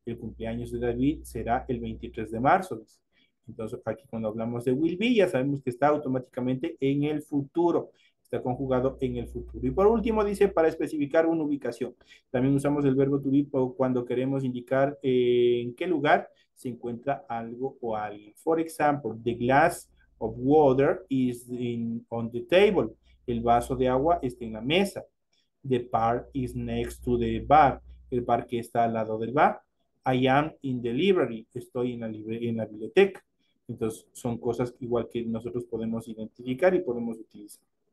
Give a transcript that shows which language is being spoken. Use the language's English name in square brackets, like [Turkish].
[Spanish] El cumpleaños de David será el 23 de marzo. Entonces, aquí cuando hablamos de will be, ya sabemos que está automáticamente en el futuro. Está conjugado en el futuro. Y por último, dice, para especificar una ubicación. También usamos el verbo to be cuando queremos indicar en qué lugar se encuentra algo o alguien. [English] For example, the glass of water is on the table. [Spanish] El vaso de agua está en la mesa. [English] The park is next to the bar. [Spanish] El parque está al lado del bar. [English] I am in the library. [Spanish] Estoy en la biblioteca. Entonces, son cosas igual que nosotros podemos identificar y podemos utilizar.